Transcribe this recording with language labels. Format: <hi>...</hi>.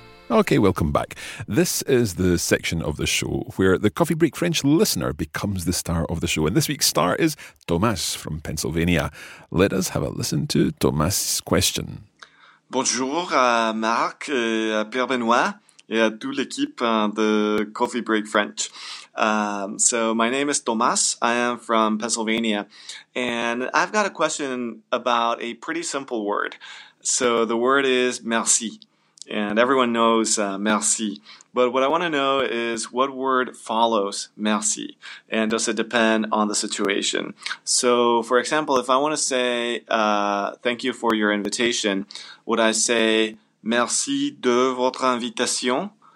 <en>Okay, welcome back. This is the section of the show where the Coffee Break French listener becomes the star of the show. And this week's star is Thomas from Pennsylvania. Let us have a listen to Thomas's question.</en> <fr>Bonjour à Marc et à Pierre Benoît et à toute l'équipe de Coffee Break French.</fr> <en>So my name is Thomas. I am from Pennsylvania. And I've got a question about a pretty simple word. So the word is merci. And everyone knows merci. But what I want to know is what word follows merci? And does it depend on the situation? So, for example, if I want to say thank you for your invitation, would I say</en> <fr>merci de votre invitation?</fr>